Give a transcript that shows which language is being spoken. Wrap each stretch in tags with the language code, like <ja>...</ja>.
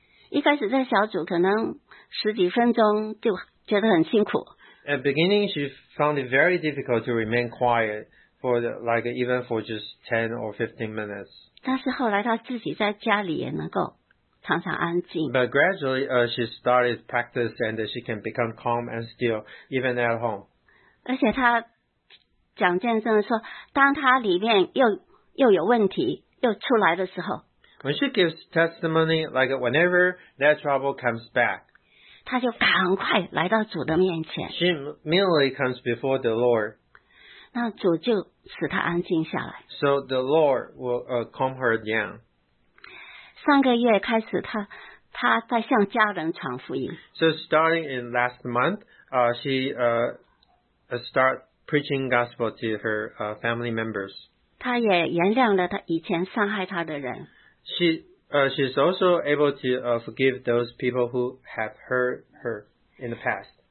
<zh>一开始在小组可能十几分钟就觉得很辛苦。</zh> <en>At beginning, she found it very difficult to remain quiet for even for just 10 or 15 minutes.</en> <zh>但是后来她自己在家里也能够常常安静。</zh> <en>But gradually, she started practice and she can become calm and still even at home.</en> <zh>而且她讲见证说，当她里面又有问题又出来的时候。</zh> <en>When she gives testimony, like whenever that trouble comes back,</en> <zh>她就赶快来到主的面前。</zh> <en>She immediately comes before the Lord.</en> <zh>那主就使她安静下来。</zh> <en>So the Lord will calm her down.</en> <zh>上个月开始她在向家人传福音。</zh> <en>So starting in last month, she start preaching gospel to her family members.</en> <zh>她也原谅了她以前伤害她的人。</zh> <en>She she's also able to forgive those people who have hurt her in the past.</en>